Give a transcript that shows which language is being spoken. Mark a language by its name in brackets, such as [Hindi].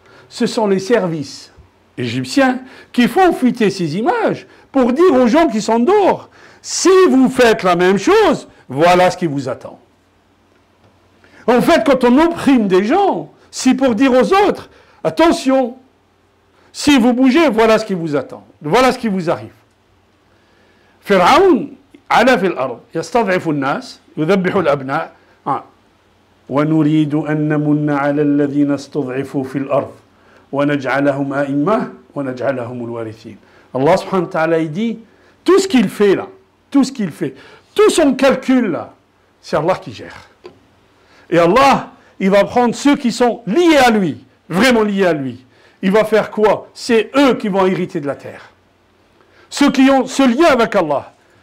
[French] Ce sont les services égyptiens qui font fuiter ces images pour dire aux gens qui sont dehors, si vous faites la même chose, voilà ce qui vous attend. En fait, quand on opprime des gens, c'est pour dire aux autres, attention, si vous bougez, voilà ce qui vous attend, voilà ce qui vous arrive. [Arabic] Pharaon, على في الأرض يستضعف الناس يذبح الأبناء ونريد أن نمن على الذين استضعفوا في الأرض ونجعلهم أئمة ونجعلهم الوارثين. الله سبحانه وتعالى يقول [French] tout ce qu'il fait là, tout ce qu'il fait, tout son calcul là, c'est Allah qui gère. Et Allah, il va prendre ceux qui sont liés à lui, vraiment liés à lui. Il va faire quoi? C'est eux qui vont hériter de la terre. Ceux qui ont ce lien avec Allah.